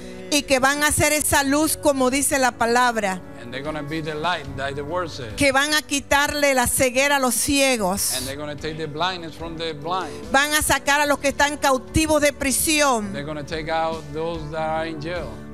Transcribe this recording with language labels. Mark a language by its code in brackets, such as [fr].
[es] Y que van a ser esa luz, como dice la palabra. [en] And they're gonna be the light, like the word says. [es] Que van a quitarle la ceguera a los ciegos. [en] And they're gonna take the blindness from the blind. [es] Van a sacar a los que están cautivos de prisión. [en] They're gonna take out those that are in jail.